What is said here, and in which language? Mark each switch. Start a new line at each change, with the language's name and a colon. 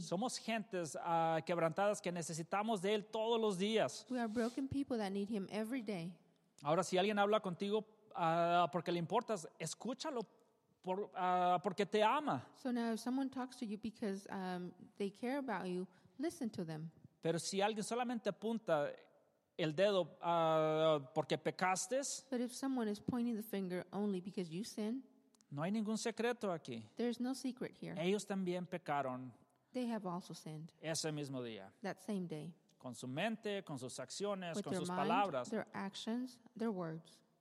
Spanish: Somos gentes quebrantadas que necesitamos de él todos los días.
English: We are broken people that need him every day.
Spanish: Ahora si alguien habla contigo porque le importas, escúchalo. Porque te ama.
English: So now if someone talks to you because they care about you, listen to them.
Spanish: Pero si alguien solamente apunta el dedo porque pecaste.
English: But if someone is pointing the finger only because you sin.
Spanish: No hay ningún secreto aquí.
English: There's no secret here.
Spanish: Ellos también pecaron.
English: They have also sinned.
Spanish: Ese mismo día.
English: That same day.
Spanish: con su mente, con sus acciones,
English: with
Spanish: con sus
English: mind,
Spanish: palabras.
English: Their actions, their words.